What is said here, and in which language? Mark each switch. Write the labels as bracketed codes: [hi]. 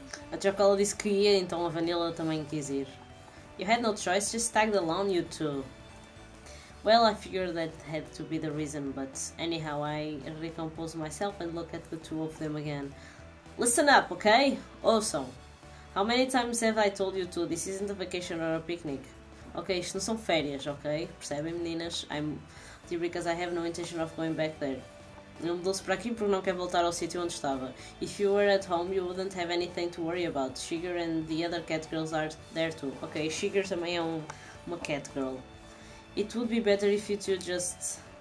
[pt] A Chocola disse que ia, então a Vanilla também quis ir. [en] You had no choice, just tagged along, you two. Well, I figured that had to be the reason, but anyhow, I recompose myself and look at the two of them again. Listen up, okay? [pt] Ouçam. [en] How many times have I told you two, this isn't a vacation or a picnic? [pt] Ok, isto não são férias, ok? Percebem, meninas? [en] I'm here because I have no intention of going back there. [pt] Eu mudou-se para aqui porque não quer voltar ao sítio onde estava. [en] If you were at home, you wouldn't have anything to worry about. Shiger and the other cat girls are there too. [pt] Ok, Shiger também é uma cat girl. [en] It would be better if you two just...